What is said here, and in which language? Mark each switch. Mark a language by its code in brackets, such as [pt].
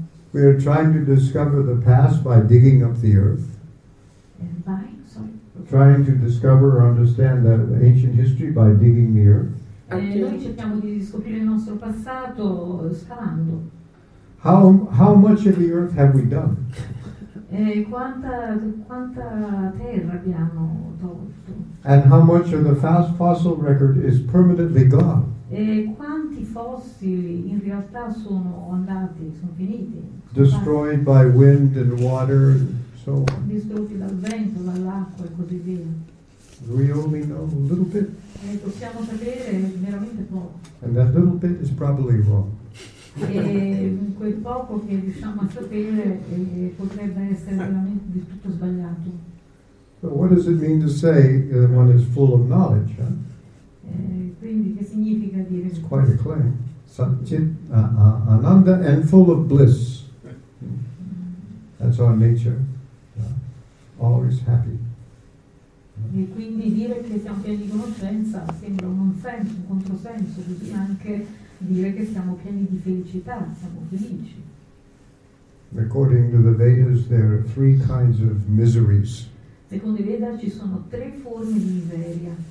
[en] We are trying to discover the past by digging up the earth. Trying to discover or understand the ancient history by digging the earth. [it] Noi cerchiamo di scoprire il nostro passato scavando. [en] How much of the earth have we done? [it] Quanta terra abbiamo tolto? [en] And how much of the fast fossil record is permanently gone? [it] E quanti fossili in realtà sono andati, sono finiti? [en] Destroyed by wind and water. [it] Distrutti dal vento, dall'acqua e così via. [en] We only know a little bit. [it] E possiamo sapere veramente poco. [en] And that little bit is probably wrong. [it] E quel poco che riusciamo a sapere potrebbe essere veramente di tutto sbagliato. [en] So what does it mean to say that one is full of knowledge? Huh? [it] Quindi che significa dire? [en] It's quite a claim. Ananda and full of bliss. That's our nature. Always happy. [it] E quindi dire che siamo pieni di conoscenza sembra un senso, un controsenso, così anche dire che siamo pieni di felicità, siamo felici. [en] According to the Vedas, there are three kinds of miseries. [it] Secondo i Veda ci sono tre forme di miseria.